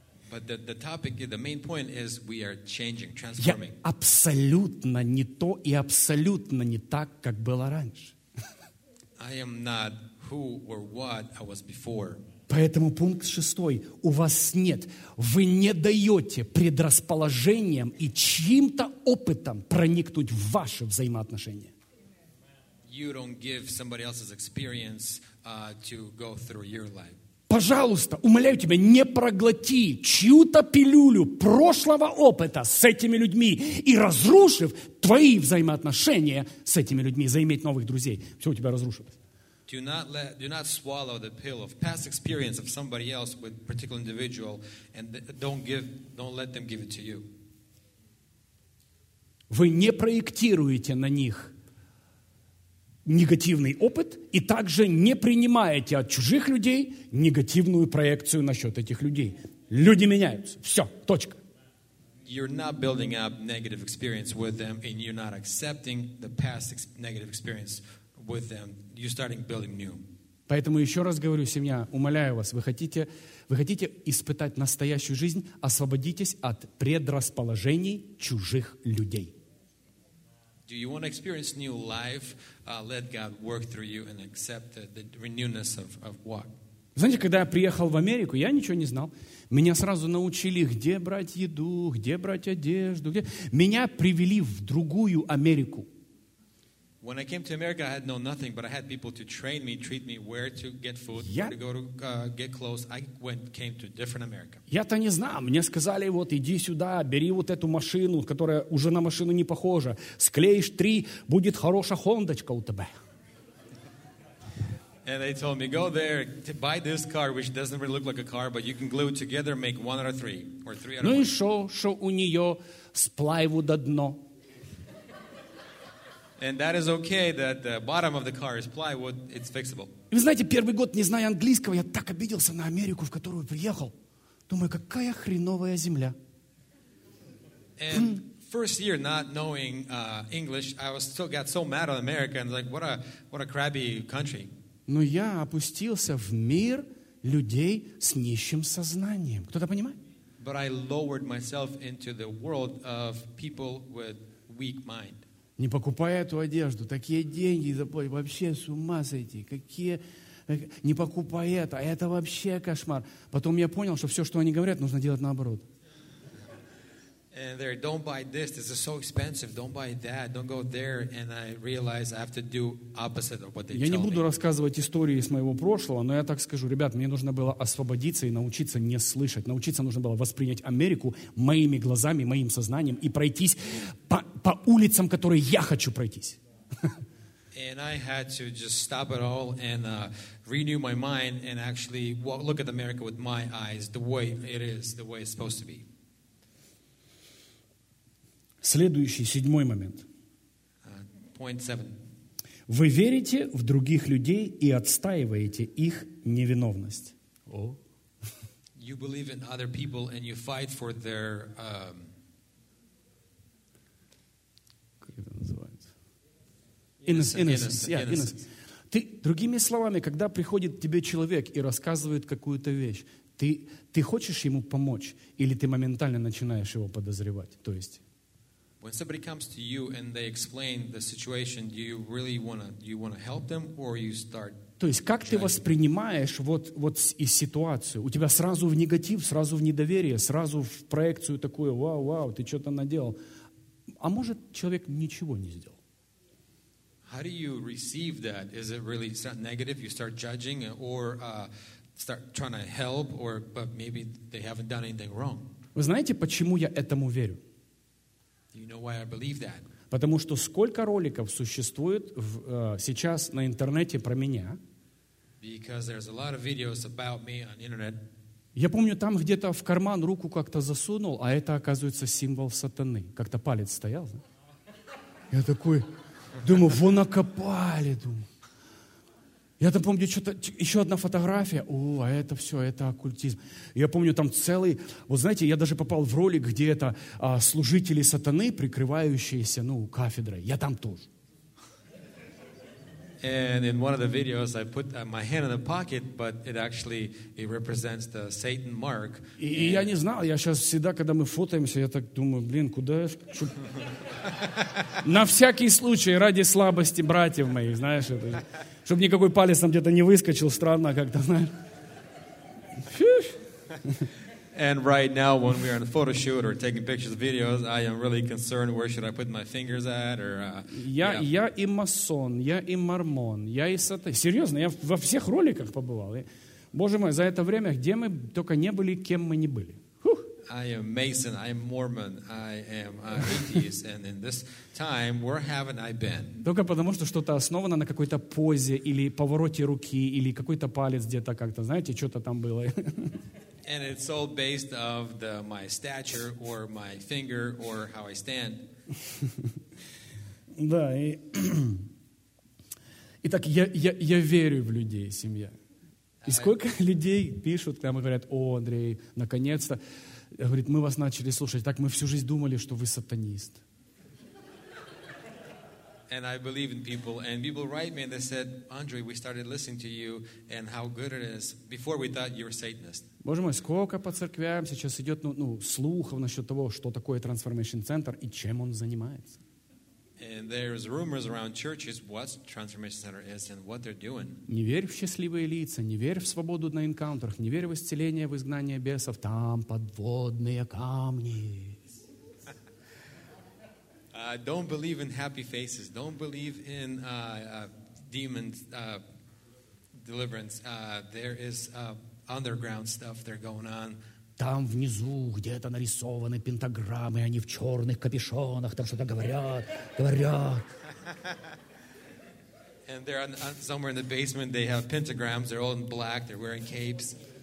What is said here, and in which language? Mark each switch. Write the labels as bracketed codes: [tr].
[en] But the topic, the main point is we are changing, transforming. [ru] Я абсолютно не то и абсолютно не так, как было раньше. [en] I am not who or what I was before. [ru] Поэтому пункт шестой. У вас нет, вы не даете предрасположениям и чьим-то опытом проникнуть в ваши взаимоотношения. [en] You don't give somebody else's experience to go through your life. [ru] Пожалуйста, умоляю тебя, не проглоти чью-то пилюлю прошлого опыта с этими людьми и разрушив твои взаимоотношения с этими людьми, заиметь новых друзей. Все у тебя разрушилось. [en] Do not swallow the pill of past experience of somebody else with a particular individual and don't let them give it to you. [ru] Вы не проектируете на них негативный опыт, и также не принимаете от чужих людей негативную проекцию насчет этих людей. Люди меняются. Все. Точка. [en] You're not building up negative experience with them, and you're not accepting the past negative experience with them. You're starting building new. [ru] Поэтому еще раз говорю, семья, умоляю вас, вы хотите испытать настоящую жизнь, освободитесь от предрасположений чужих людей. [en] Do you want to experience new life? Let God work through you and accept the renewness of what? [ru] Знаете, когда я приехал в Америку, я ничего не знал. Меня сразу научили, где брать еду, где брать одежду. Меня привели в другую Америку. [en] When I came to America, I had known nothing, but I had people to train me, treat me, where to get food, where to go to get clothes. I came to different America. [ru] Я-то не знаю. Мне сказали, вот, иди сюда, бери вот эту машину, которая уже на машину не похожа. Склеишь три, будет хорошая хондочка у тебя. [en] And they told me, go there, to buy this car, which doesn't really look like a car, but you can glue it together, make one out of three, or three out of ну one. [ru] Ну и шо у нее с плайву до дно. [en] And that is okay, that the bottom of the car is plywood, it's fixable. [ru] Вы знаете, первый год, не зная английского, я так обиделся на Америку, в которую приехал. Думаю, какая хреновая земля. [en] And first year, not knowing English, I was still got so mad on America, and like, what a crabby country. [ru] Но я опустился в мир людей с нищим сознанием. Кто-то понимает? [en] But I lowered myself into the world of people with weak mind. [ru] Не покупая эту одежду, такие деньги заплатить, вообще с ума сойти. Какие... Не покупай это вообще кошмар. Потом я понял, что все, что они говорят, нужно делать наоборот. [en] And there, don't buy this, this is so expensive, don't buy that, don't go there, and I realize I have to do opposite of what they tell me. [ru] Я не буду рассказывать истории из моего прошлого, но я так скажу, ребят, мне нужно было освободиться и научиться не слышать. Научиться нужно было воспринять Америку моими глазами, моим сознанием и пройтись по улицам, которые я хочу пройтись. [en] And I had to just stop it all and renew my mind and actually look at America with my eyes, the way it is, the way it's supposed to be. [ru] Следующий, седьмой момент. [en] Point seven. [ru] Вы верите в других людей и отстаиваете их невиновность. Oh. [en] You believe in other people and you fight for their... [ru] как это называется? [en] Innocence. [ru] Ты, другими словами, когда приходит к тебе человек и рассказывает какую-то вещь, ты хочешь ему помочь или ты моментально начинаешь его подозревать? То есть... [en] When somebody comes to you and they explain the situation, do you really want to help them or you start? [ru] То есть как ты воспринимаешь вот из ситуацию? У тебя сразу в негатив, сразу в недоверие, сразу в проекцию такую: "Вау, ты что-то наделал". А может, человек ничего не сделал? [en] How do you receive that? Is it really negative? You start judging or start trying to help or but maybe they haven't done anything wrong. [ru] Вы знаете, почему я этому верю? [en] You know why I believe that? [ru] Потому что сколько роликов существует сейчас на интернете про меня? [en] Because there's a lot of videos about me on internet. [ru] Я помню, там где-то в карман руку как-то засунул, а это оказывается символ сатаны. Как-то палец стоял. Я такой, думаю, вон окопали, думаю. Я там помню, что-то, еще одна фотография, о, а это все, это оккультизм. Я помню, там целый, вот знаете, я даже попал в ролик, где это служители сатаны, прикрывающиеся, ну, кафедрой. Я там тоже. [en] And in one of the videos, I put my hand in the pocket, but it actually it represents the Satan mark. [ru] И я не знал, я сейчас всегда, когда мы фотоемся, я так думаю, блин, куда? На всякий случай, ради слабости братьев моих, знаешь, это, чтобы никакой палец там где-то не выскочил, странно как-то, знаешь. [en] And right now, when we are in a photo shoot or taking pictures, videos, I am really concerned. Where should I put my fingers at? Or [ru] Я и масон, я и мормон, я и сатан. Серьезно, я во всех роликах побывал. Боже мой, за это время, где мы только не были, кем мы не были. [en] I am Mason, I am Mormon, I am atheist, and in this time, where haven't I been? [ru] Только потому, что что-то основано на какой-то позе или повороте руки или какой-то палец где-то как-то, знаете, что-то там было. [en] And it's all based of the my stature or my finger or how I stand. [ru] Да, и итак, я верю в людей, семья. И сколько людей пишут, когда мы говорят, о, Андрей, наконец-то. Говорит, мы вас начали слушать. Так мы всю жизнь думали, что вы сатанист. [en] And I believe in people. And people write me and they said, Andre, we started listening to you and how good it is. Before we thought you were Satanist. [ru] Боже мой, сколько по церквям сейчас идет слухов насчет того, что такое Transformation Center и чем он занимается. [en] And there's rumors around churches what Transformation Center is and what they're doing. [ru] Не верь в счастливые лица, не верь в свободу на инкаунтерах, не верь в исцеление, в изгнание бесов. Там подводные камни. [en] Don't believe in happy faces. Don't believe in demons deliverance. There is underground stuff there going on. [ru] Там внизу где-то нарисованы пентаграммы, они в черных капюшонах, там что-то говорят, говорят. [en] And they're somewhere in the basement, they have pentagrams, they're all in black, they're wearing capes.